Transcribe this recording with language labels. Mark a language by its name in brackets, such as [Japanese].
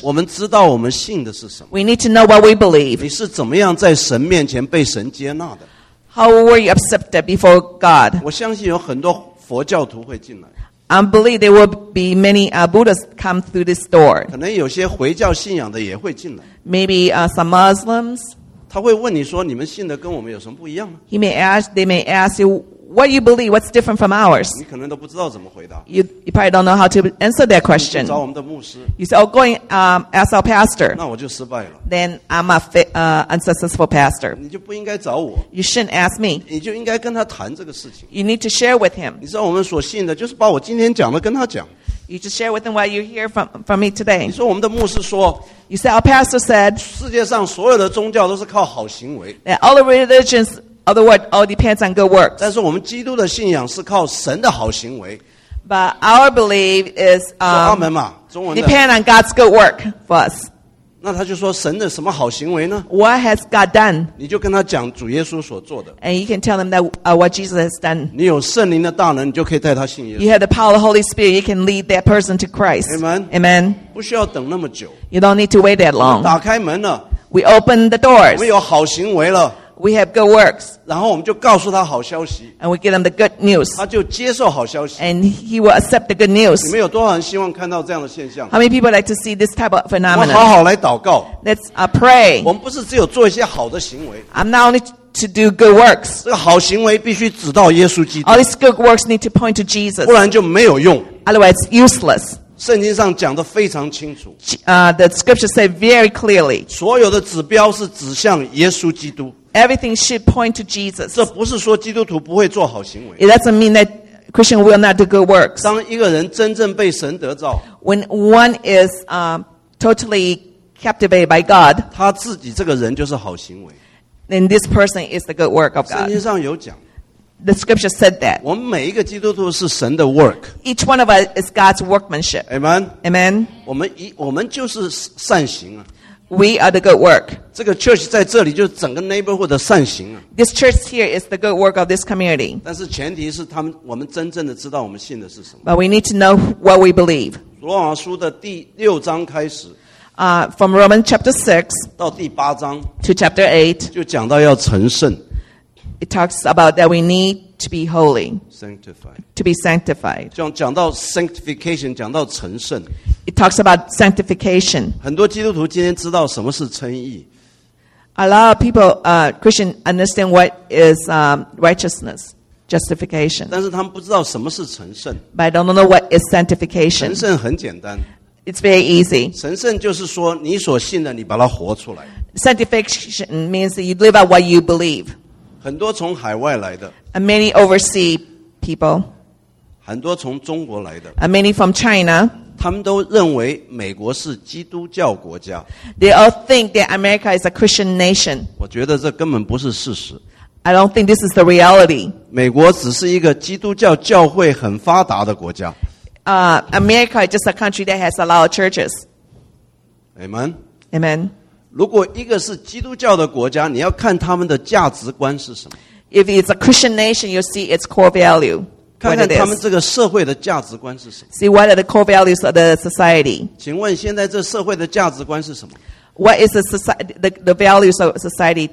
[Chinese] 我们知道我们信的是什么。 [English] We need to know what we believe. [Chinese] 你是怎么样在神面前被神接纳的？ [English] How were you accepted before God? [Chinese] 我相信有很多佛教徒会进来。 [English] I believe there will be many Buddhists come through this door. [Chinese] 可能有些回教信仰的也会进来。 [English] Maybe some Muslims. [Chinese] 他会问你说你们信的跟我们有什么不一样吗？ [English] They may ask you,What you believe, what's different from ours? [Chinese] 你可能都不知道怎么回答。 [English] You probably don't know how to answer that question. [Chinese] 找我们的牧师。 [English] You say, oh, go and ask our pastor. [Chinese] 那我就失败了。 [English] Then I'm a unsuccessful pastor. [Chinese] 你就不应该找我。 [English] You shouldn't ask me. [Chinese] 你就应该跟他谈这个事情。 [English] You need to share with him. [Chinese] 你知道我们所信的，就是把我今天讲的跟他讲。 [English] You just share with him what you hear from me today. [Chinese] 你说我们的牧师说。 [English] You say, our pastor said. [Chinese] 世界上所有的宗教都是靠好行为。 [English] That all the religions... Other word, all depends on good works. [Chinese] 但是我们基督的信仰是靠神的好行为。 [English] But our belief is depend on God's good work for us. [Chinese] 那他就说神的什么好行为呢？ [English] What has God done? [Chinese] 你就跟他讲主耶稣所做的。 [English] And you can tell them that what Jesus has done. [Chinese] 你有圣灵的大能，你就可以带他信耶稣。 [English] You have the power of the Holy Spirit. You can lead that person to Christ. Amen. Amen. [Chinese] 不需要等那么久。 [English] You don't need to wait that long. [Chinese] 打开门了。 [English] We open the doors. [Chinese] 我们有好行为了。 [English] We have good works. [Chinese] 然后我们就告诉他好消息。 [English] And we give him the good news. [Chinese] 他就接受好消息。 [English] And he will accept the good news. [Chinese] 你们有多少人希望看到这样的现象？ [English] How many people like to see this type of phenomenon? [Chinese] 我们好好来祷告。 [English] Let's pray. [Chinese] 我们不是只有做一些好的行为。 [English] I'm not only to do good works. [Chinese] 这个好行为必须指到耶稣基督。 [English] All these good works need to point to Jesus. [Chinese] 不然就没有用。 [English] Otherwise, it's useless. [Chinese] 圣经上讲得非常清楚。 [English] The scripture say very clearly. [Chinese] 所有的指标是指向耶稣基督。 [English] Everything should point to Jesus. [Chinese] 这不是说基督徒不会做好行为。 [English] It doesn't mean that Christian will not do good works. [Chinese] 当一个人真正被神得着。 [English] When one is totally captivated by God. [Chinese] 他自己这个人就是好行为。 [English] Then this person is the good work of God. [Chinese] 圣经上有讲。 [English] The scripture said that. [Chinese] 我们每一个基督徒是神的 work. [English] Each one of us is God's workmanship. Amen. Amen. [Chinese] 我们就是善行啊。 [English] We are the good work. [Chinese] 这个 church 在这里就是整个 neighborhood 的善行啊。 [English] This church here is the good work of this community. [Chinese] 但是前提是我们真正的知道我们信的是什么。 [English] But we need to know what we believe. [Chinese] 罗马书的第六章开始。 [English] From Romans chapter 6. [Chinese] 到第八章。 [English] To chapter 8. [Chinese] 就讲到要成圣。 [English] It talks about that we need to be holy. Sanctified. To be sanctified. [Chinese] 讲到 sanctification, 讲到成圣。 [English] It talks about sanctification. [Chinese] 很多基督徒今天知道什么是称义。 [English] A lot of people, Christian, understand what is righteousness. justification. [Chinese] 但是他们不知道什么是成圣。 [English] But I don't know what is sanctification. [Chinese] 成圣很简单。 [English] It's very easy. [Chinese] 成圣就是说你所信的，你把它活出来。 [English] Sanctification means that you live out what you believe. [Chinese] 很多从海外来的。 [English] And many overseas people. [Chinese] 很多从中国来的。 [English] And many from China. [Chinese] 他们都认为美国是基督教国家。 [English] They all think that America is a Christian nation. [Chinese] 我觉得这根本不是事实。 [English] I don't think this is the reality. [Chinese] 美国只是一个基督教教会很发达的国家。 [English] America is just a country that has a lot of churches. Amen. Amen. [Chinese] 如果一个是基督教的国家，你要看他们的价值观是什么。 [English] If it's a Christian nation, you see its core value. [Chinese] 看看他们这个社会的价值观是什么。 [English] See what are the core values of the society? [Chinese] 请问现在这社会的价值观是什么？ [English] What is the society, the values of society?